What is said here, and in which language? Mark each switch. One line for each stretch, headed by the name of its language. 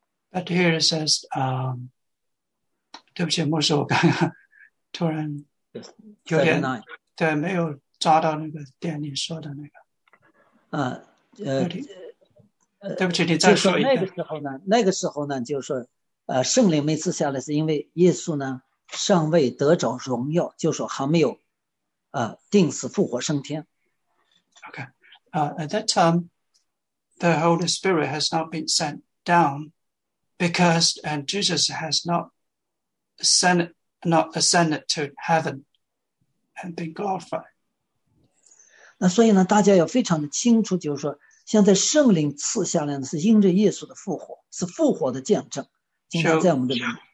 English: But here it says,
Chinese: 对不起，牧师，我刚刚突然有点对，没有抓到那个点你说的那个。对不起，你再说一遍。那个时候呢，就是说，圣灵没赐下来，是因为耶稣呢尚未得着荣耀，就是说还没有，定死复活升天。
English: Okay, at that time, the Holy Spirit has not been sent down, because and Jesus has not ascended to heaven, and been glorified.
Chinese: 那所以呢，大家要非常的清楚，就是说，现在圣灵赐下来呢，是因着耶稣的复活，是复活的见证，经常在我们的里面。